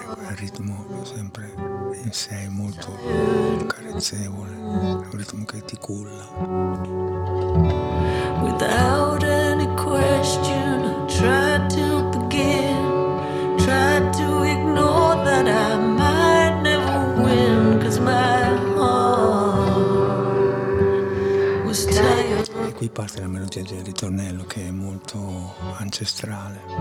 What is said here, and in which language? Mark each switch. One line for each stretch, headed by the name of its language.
Italian: Il ritmo sempre in sé è molto carezzevole, è un ritmo che ti culla.
English: Without any question, I try to begin, try to ignore that I might never win, 'cause my heart was tired.
Italian: E qui parte la melodia del ritornello che è molto ancestrale.